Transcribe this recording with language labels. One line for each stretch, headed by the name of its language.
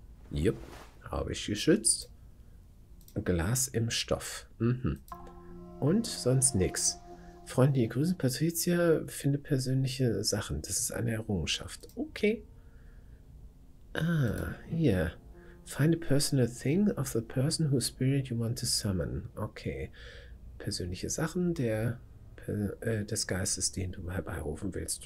German: Jupp, habe ich geschützt. Glas im Stoff. Und sonst nix. Freunde, ihr grüßen Patricia, finde persönliche Sachen. Das ist eine Errungenschaft. Okay. Ah, hier.
English: Find a personal thing of the person whose spirit you want to summon. Okay.
German: Persönliche Sachen der des Geistes, den du herbeirufen willst.